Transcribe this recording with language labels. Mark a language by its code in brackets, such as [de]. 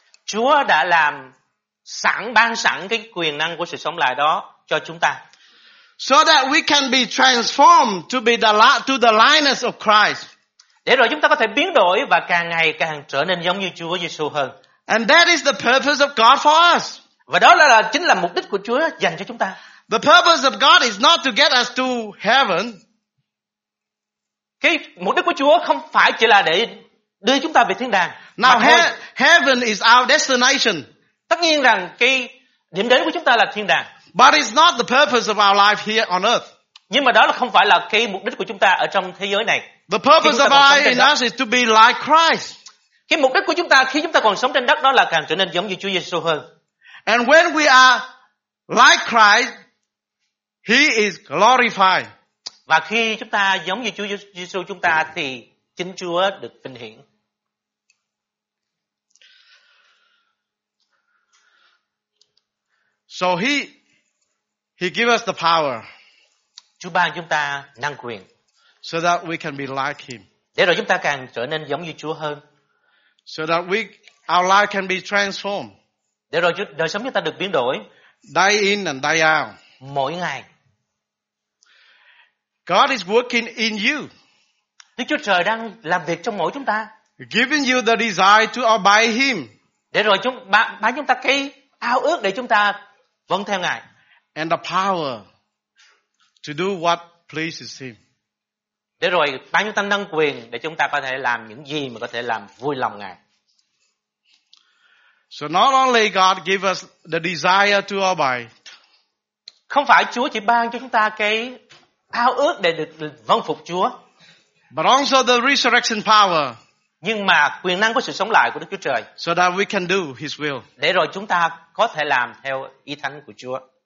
[vi] Chúa đã làm sẵn ban sẵn cái quyền năng của sự sống lại đó cho chúng ta. [en] So that we can be transformed to be to the likeness of Christ. [vi] Để rồi chúng ta có thể biến đổi và càng ngày càng trở nên giống như Chúa Giêsu hơn. [en] And that is the purpose of God for us. [vi] Và đó là chính là mục đích của Chúa dành cho chúng ta. [en] The purpose of God is not to get us to heaven. [vi] Cái mục đích của Chúa không phải chỉ là để đưa chúng ta về thiên đàng. [en] Now heaven is our destination. [vi] Tất nhiên rằng cái điểm đến của chúng ta là thiên đàng. [en] But it's not the purpose of our life here on earth. [vi] Nhưng mà đó là không phải là cái mục đích của chúng ta ở trong thế giới này. [en] The purpose of our life in us is to be like Christ. [vi] Cái mục đích của chúng ta khi chúng ta còn sống trên đất đó là càng trở nên giống như Chúa Giêsu hơn. [en] And when we are like Christ, He is glorified. [vi] Và khi chúng ta giống như Chúa Giêsu chúng ta thì chính Chúa được vinh hiển. [en] So he gives us the power. [vi] Chúa ban chúng ta năng quyền. [en] So that we can be like him. [vi] Để rồi chúng ta càng trở nên giống như Chúa hơn. [en] So that our life can be transformed. [vi] Để rồi đời sống chúng ta được biến đổi. [en] Day in and day out. [vi] Mỗi ngày. [en] God is working in you. [vi] Đức Chúa Trời đang làm việc trong mỗi chúng ta. [en] Giving you the desire to obey Him. [vi] Để rồi chúng ta cái ao ước để chúng ta vâng theo Ngài. [en] And the power to do what pleases Him. [vi] Để rồi ban chúng ta năng quyền để chúng ta có thể làm những gì mà có thể làm vui lòng Ngài. [en] So not only God give us the desire to obey. [vi] Không phải Chúa chỉ ban cho chúng ta cái ao ước để được vâng phục Chúa. [en] But also the resurrection power. [vi] Nhưng mà quyền năng của sự sống lại của Đức Chúa Trời. [en] So that we can do His will. [vi] Để rồi chúng ta có thể làm theo ý thánh của Chúa.